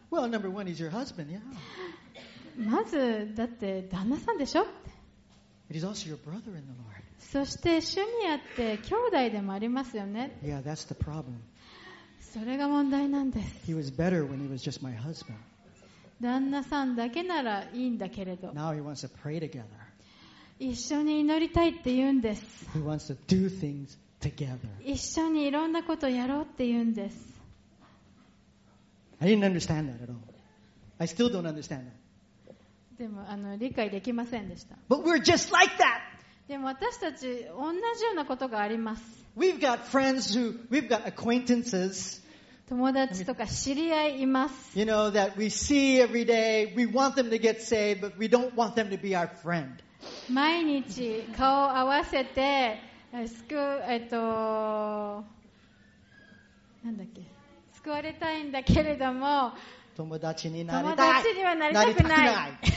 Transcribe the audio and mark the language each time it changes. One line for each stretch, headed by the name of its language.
Japanese: まずだって旦那さんでしょ？
English: But he's also your brother in the Lord.
Japanese: そして趣味あって兄弟でもありますよね。
English: Yeah, that's the problem.
Japanese: それが問題なんです。
English: He was better when he was just my husband.
Japanese: 旦那さんだけならいいんだけれど。
English: Now he wants to pray together.
Japanese: 一緒に祈りたいって言うんです。
English: He wants to do things together.
Japanese: 一緒にいろんなことをやろうって言うんです。
English: I didn't understand that at all. I still don't understand that.
Japanese: でも理解できませんでした。
English: But we're just like that.
Japanese: でも私たち同じようなことがあります。
English: We've got friends who, we've got acquaintances.
Japanese: 友達とか知り合いいます。
English: You know, that we see every day. We want them to get saved, but we don't want them to be our friend.
Japanese: 毎日顔を合わせて救われたいんだけれども友達になりたい、友達にはなりたくない。